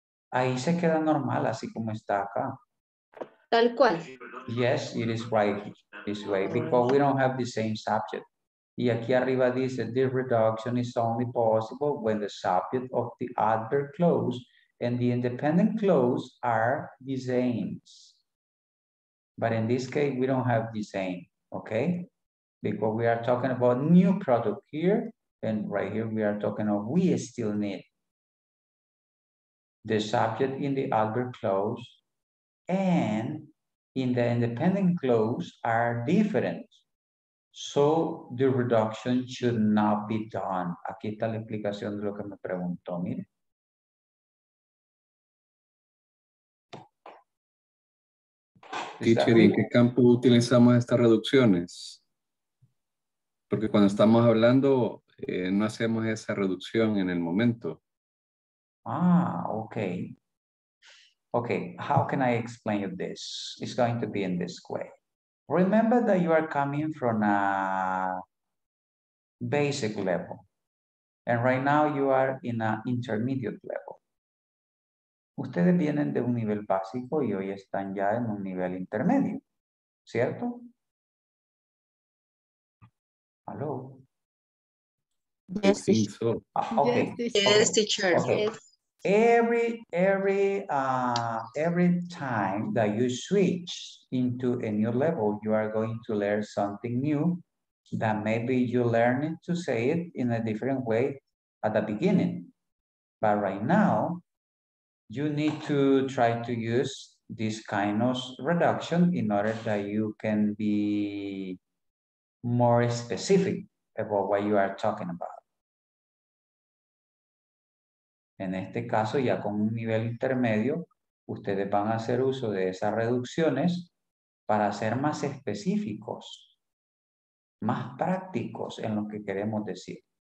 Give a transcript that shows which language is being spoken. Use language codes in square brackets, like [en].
[es] Ahí se queda normal, así como está acá. Tal cual. [en] Yes, it is right this way, because we don't have the same subject. [es] Y aquí arriba dice, [en] this reduction is only possible when the subject of the adverb clause and the independent clause are the same. But in this case, we don't have the same, okay? Because we are talking about new product here, and right here we are talking of we still need the subject in the adverb clause and in the independent clause are different. So the reduction should not be done. [es] Aquí está la explicación de lo que me preguntó, mire. Teacher, ¿en qué campo utilizamos estas reducciones? Porque cuando estamos hablando, no hacemos esa reducción en el momento. [en] Ah, okay. Okay, how can I explain you this? It's going to be in this way. Remember that you are coming from a basic level. And right now you are in an intermediate level. [es] Ustedes vienen de un nivel básico y hoy están ya en un nivel intermedio, ¿cierto? [en] Hello. Yes, okay. Yes, teacher. Okay. Every time that you switch into a new level, you are going to learn something new that maybe you learn to say it in a different way at the beginning. But right now, you need to try to use this kind of reduction in order that you can be more specific about what you are talking about. [es] En este caso, ya con un nivel intermedio, ustedes van a hacer uso de esas reducciones para ser más específicos, más prácticos en lo que queremos decir.